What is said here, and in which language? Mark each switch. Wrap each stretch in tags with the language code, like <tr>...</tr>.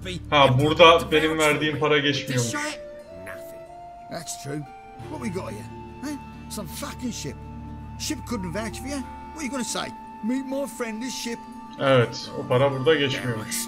<tr>Ha, burada benim verdiğim para geçmiyormuş.</tr> <en>That's true. What we got here? Some fucking ship. Ship couldn't vouch for you. What are you gonna say? Meet my friend this ship.</en> <tr>Evet, o para burada geçmiyor.</tr>